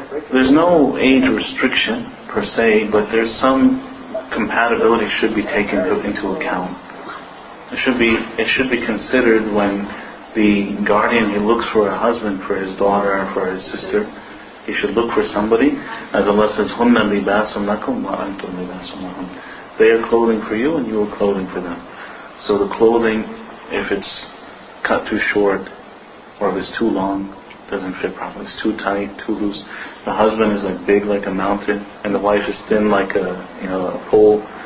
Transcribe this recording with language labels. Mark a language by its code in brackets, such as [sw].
[en] There's no age restriction per se, but there's some compatibility should be taken into account. It should be considered when the guardian, he looks for a husband for his daughter, for his sister, you should look for somebody. [ar] As Allah says, هُنَّ لِبَاسٌ لَكُمْ وَأَنْتُمْ لِبَاسٌ لَهُمْ. [en] They are clothing for you and you are clothing for them. So the clothing, if it's cut too short or if it's too long, doesn't fit properly. It's too tight, too loose. The husband is like big like a mountain and the wife is thin like a, you know, a pole.